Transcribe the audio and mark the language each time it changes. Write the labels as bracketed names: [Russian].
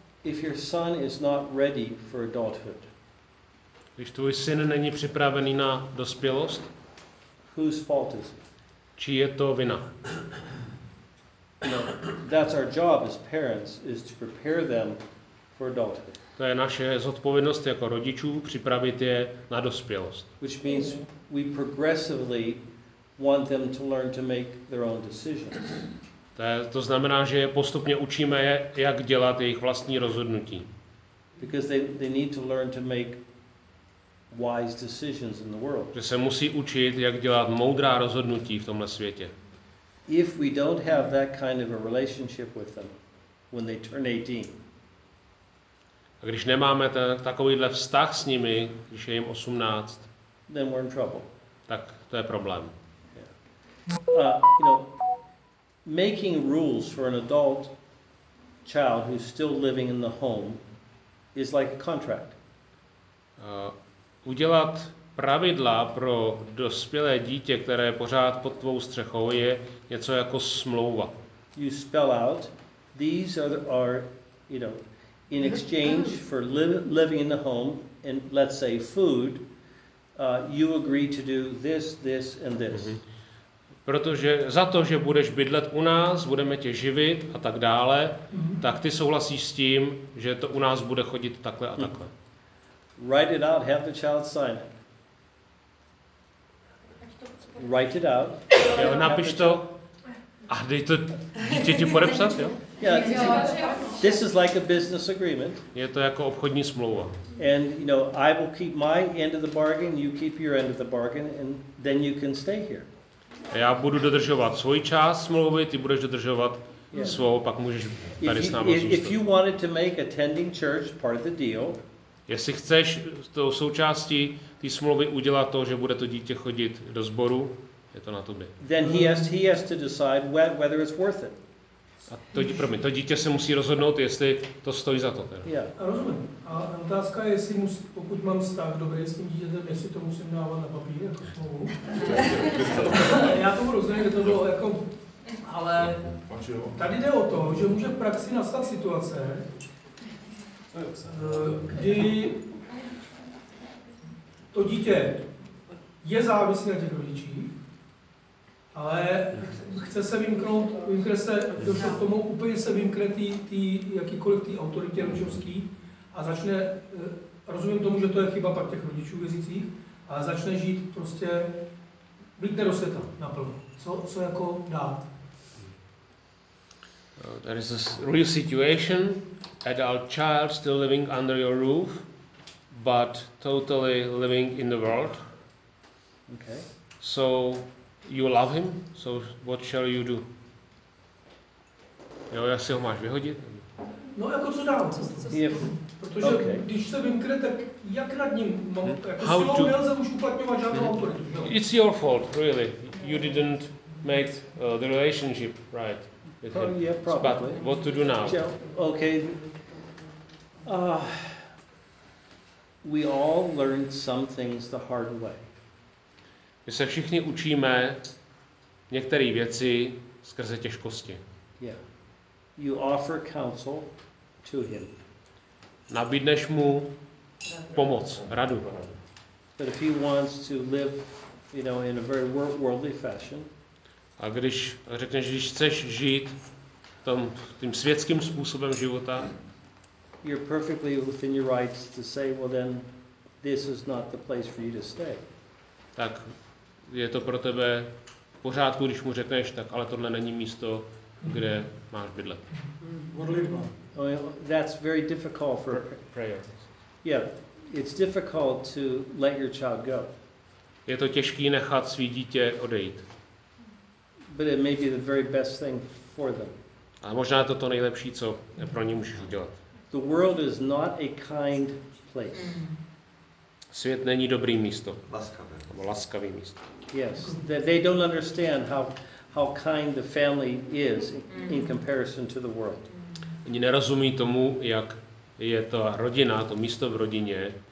[English] If your son is not ready for adulthood. [Czech] Když tvůj syn není připravený na dospělost. [English] Whose fault is it? [Czech] Čí je to vina? [English] No, that's our job as parents is to prepare them for adulthood. [Czech] To je naše zodpovědnost jako rodičů připravit je na dospělost. [English] Which means we progressively want them to learn to make their own decisions. [Czech] To znamená, že postupně učíme je, jak dělat jejich vlastní rozhodnutí. [English] Because they need to learn to make wise decisions in the world. [Czech] Že se musí učit, jak dělat moudrá rozhodnutí v tomhle světě. [English] If we don't have that kind of a relationship with them when they turn 18. [Czech] A když nemáme takovýhle vztah s nimi, když je jim 18, [English] then we're in trouble. [Czech] Tak to je problém. [English] You know, making rules for an adult child who's still living in the home is like a contract. Udělat pravidla pro dospělé dítě, které je pořád pod tvou střechou, je něco jako smlouva. You spell out these are you know, in exchange for living in the home and let's say food, you agree to do this and this. Mm-hmm. [Czech] Protože za to, že budeš bydlet u nás, budeme tě živit a tak dále, tak ty souhlasíš s tím, že to u nás bude chodit takhle a takhle. [English] Write it out, have the child sign. Write it out. [Czech] Jo, napiš to a dej to dítěti podepsat, jo? [English] Yeah, this is like a business agreement. [Czech] Je to jako obchodní smlouva. [English] And you know, I will keep my end of the bargain, you keep your end of the bargain and then you can stay here. [Czech] Já budu dodržovat svoji část smlouvy, ty budeš dodržovat svou, pak můžeš tady s námi zůstat. [English] If you wanted to make attending church part of the deal, [Czech] jestli chceš s tou součástí té smlouvy udělat to, že bude to dítě chodit do sboru, je to na tobě. [English] Then he has to decide whether it's worth it. [Czech] A to dítě se musí rozhodnout, jestli to stojí za to. [English] Yeah. [Czech] Rozumím. A otázka je, jestli pokud mám vztah dobrý s tím dítětem, jestli to musím dávat na papír jako smlouvu. Já tomu rozumím, že to bylo jako... Ale tady jde o to, že může v praxi nastat situace, kdy to dítě je závislé na těch rodičích, ale chce se vymknout, vymkne se k tomu, úplně se vymkne tý jakýkoliv tý autoritě rodičovský a začne, rozumím tomu, že to je chyba pak těch rodičů věřících, ale začne žít prostě, blíkne do světa naplno. Co jako dát? [English] there is a real situation, adult child still living under your roof, but totally living in the world. Okay. So you love him, so what shall you do? [Czech] Jo, jestli ho máš vyhodit? No jako co dál? Protože okay. Když se vymkne, tak jak nad ním mohu? Jako si ho nelze už uplatňovat žádnou autoritu. [English] It's your fault, really. You didn't make the relationship right. With him. Yeah, probably. But what to do now? Yeah, okay. We all learned some things the hard way. [Czech] My se všichni učíme některé věci skrze těžkosti. [English] Yeah. You offer counsel to him. [Czech] Nabídneš mu pomoc, radu. [English] But if he wants to live, you know, in a very worldly fashion. [Czech] A když řekneš, když chceš žít tím světským způsobem života, [English] you're perfectly within your rights to say, well then, this is not the place for you to stay. [Czech] Tak je to pro tebe v pořádku, když mu řekneš, tak ale tohle není místo, kde máš bydlet. [English] Oh, that's very difficult for prayer. Yeah, it's difficult to let your child go. [Czech] Je to těžký nechat své dítě odejít. [English] But it may be the very best thing for them. [Czech] A možná je to to nejlepší, co pro ně můžeš udělat. [English] The world is not a kind place. [Czech] Svět není dobrý místo. Laskavé. Laskavý místo. [English] Yes, they don't understand how kind the family is in comparison to the world. [Czech] Oni nerozumí tomu, jak je ta rodina, to místo v rodině,